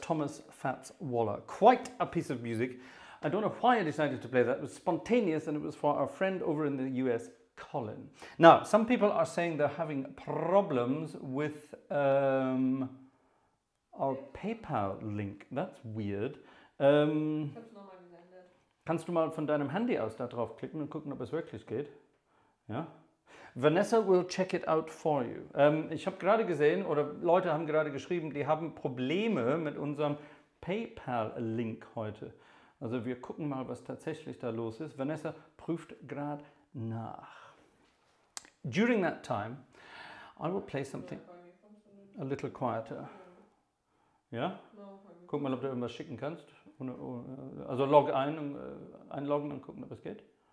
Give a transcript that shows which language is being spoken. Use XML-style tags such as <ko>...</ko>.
<en>Thomas Fats Waller. Quite a piece of music. I don't know why I decided to play that. It was spontaneous and it was for our friend over in the US, Colin. Now, some people are saying they're having problems with our PayPal link. That's weird.</en> <de>Kannst du mal von deinem Handy aus da drauf klicken und gucken, ob es wirklich geht? Ja.</de> <en>Vanessa will check it out for you.</en> <de>Ich habe gerade gesehen, oder Leute haben gerade geschrieben, die haben Probleme mit unserem PayPal-Link heute. Also wir gucken mal, was tatsächlich da los ist. Vanessa prüft gerade nach.</de> <en>During that time, I will play something a little quieter.</en> <de>Ja? Guck mal, ob du irgendwas schicken kannst. Also log ein, einloggen und gucken, ob es geht.</de>